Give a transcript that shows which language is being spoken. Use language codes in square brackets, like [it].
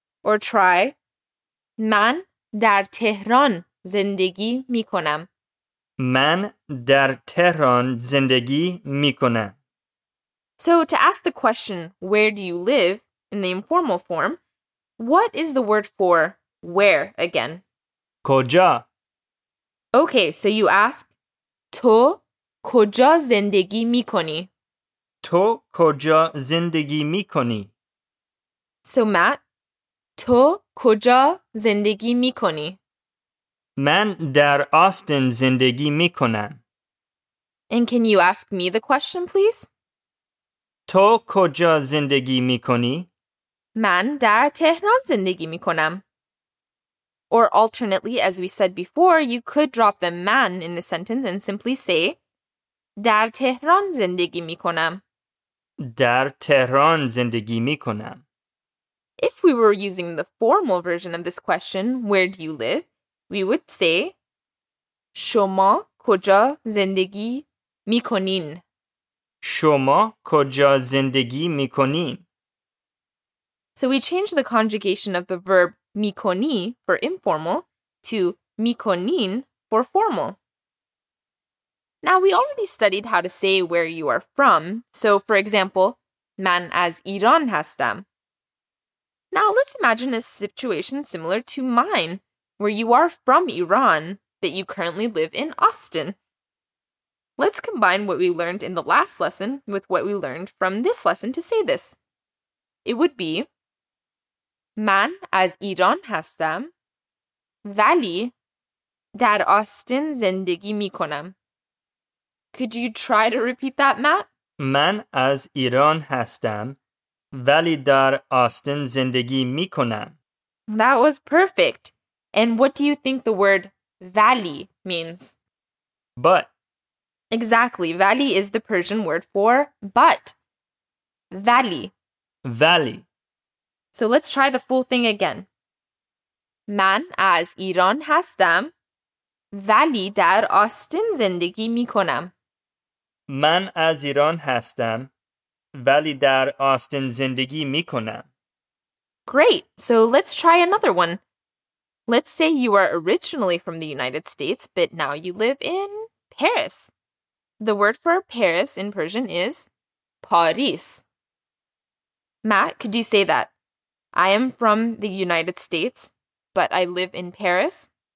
[en] Or try [fa] من در تهران زندگی میکنم. من در تهران زندگی میکنم. [en] So to ask the question, where do you live, in the informal form, what is the word for where again? [fa] کجا. [en] Okay, so you ask, [fa] تو کجا زندگی میکنی؟ تو کجا زندگی میکنی؟ [en] So Matt, [fa] تو کجا زندگی میکنی؟ من در آستین زندگی میکنم. [en] And can you ask me the question, please? [fa] تو کجا زندگی میکنی؟ من در تهران زندگی میکنم. [en] Or alternately, as we said before, you could drop the man in the sentence and simply say [fa] در تهران زندگی میکنم. در تهران زندگی میکنم. [en] If we were using the formal version of this question, where do you live? We would say [fa] شما کجا زندگی میکنین. شما کجا زندگی میکنین. [en] So we change the conjugation of the verb میکنی for informal to میکنین for formal. Now, we already studied how to say where you are from. So, for example, [fa] من از ایران هستم. [en] Now, let's imagine a situation similar to mine, where you are from Iran, but you currently live in Austin. Let's combine what we learned in the last lesson with what we learned from this lesson to say this. It would be [fa] من از ایران هستم ولی در آستین زندگی می کنم. [en] Could you try to repeat that, Matt? [fa] من از ایران هستم ولی در آستین زندگی میکنم. [en] That was perfect. And what do you think the word ولی means? But. Exactly. ولی is the Persian word for but. ولی. [fa] ولی. [en] So let's try the full thing again. [fa] من از ایران هستم. ولی در آستین زندگی میکنم. من از ایران هستم. ولی در آستین زندگی میکنم. [en] Great. So let's try another one. Let's say you are originally from the United States, but now you live in Paris. The word for Paris in Persian is Paris. Matt, could you say that? I am from the United States, but I live in Paris.